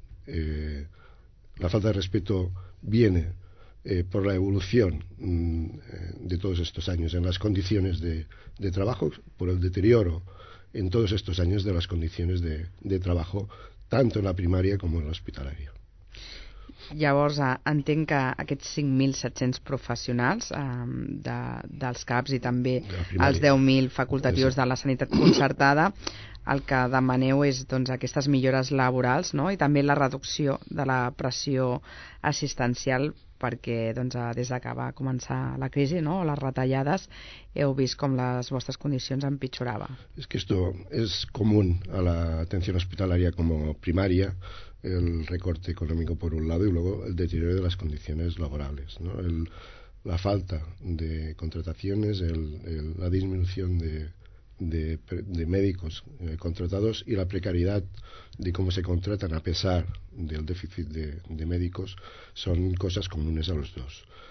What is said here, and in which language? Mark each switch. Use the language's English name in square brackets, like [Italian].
[Spanish] La falta de respeto viene por la evolución de todos estos años en las condiciones de trabajo, por el deterioro en todos estos años de las condiciones de trabajo, tanto en la primaria como en la hospitalaria. [Catalan] Llavors, entenc que aquests 5.700 professionals dels CAPs i també els 10.000 facultatius de la sanitat concertada, el que demaneu és doncs, aquestes millores laborals, no? I també la reducció de la pressió assistencial, perquè doncs, des que va començar la crisi, no? Les retallades, heu vist com les vostres condicions empitjorava. [Spanish] És que esto es común a la atención hospitalaria como primaria, el recorte económico por un lado y luego el deterioro de las condiciones laborales, ¿no? La falta de contrataciones, la disminución de médicos contratados y la precariedad de cómo se contratan a pesar del déficit de médicos son cosas comunes a los dos.